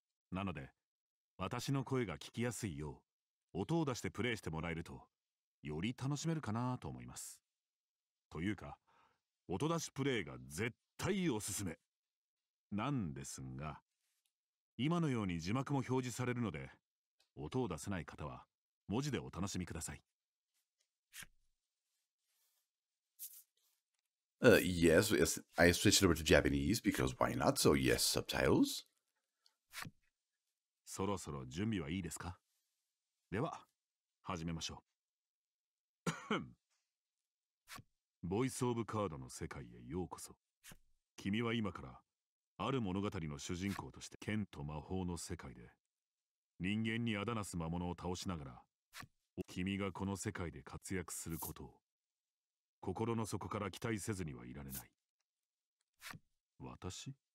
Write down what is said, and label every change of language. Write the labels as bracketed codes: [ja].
[ja] なので、私の声が聞きやすいよう、音を出してプレイしてもらえると、より楽しめるかなと思います。というか、音出しプレイが絶対おすすめなんですが、今のように字幕も表示されるので、音を出せない方は文字でお楽しみください。 [en] Yes, I switched over to Japanese because why not? So yes, subtitles. [ja] そろそろ準備はいいですか？では始めましょう。ボイスオブカードの世界へようこそ。君は今からある物語の主人公として、剣と魔法の世界で人間にあだなす魔物を倒しながら、君がこの世界で活躍することを心の底から期待せずにはいられない。